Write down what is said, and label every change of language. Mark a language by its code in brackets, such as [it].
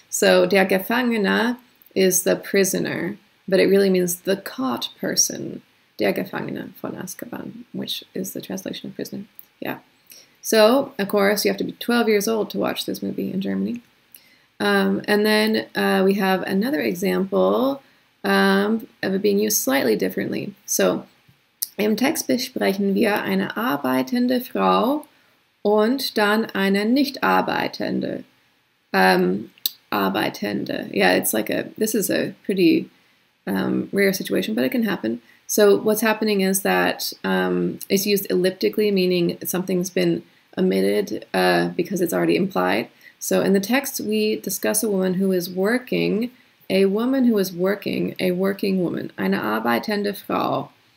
[en] So der Gefangene is the prisoner, but it really means the caught person. Der Gefangene von Azkaban, which is the translation of prisoner. Yeah. So, of course, you have to be 12 years old to watch this movie in Germany. And then we have another example of it being used slightly differently. [de] So, im Text besprechen wir eine arbeitende Frau und dann eine nicht arbeitende. Arbeitende. [en] Yeah, it's like this is a pretty rare situation, but it can happen. So what's happening is that it's used elliptically, meaning something's been omitted because it's already implied. So in the text, we discuss a woman who is working, a woman who is working, a working woman, [de] eine arbeitende Frau.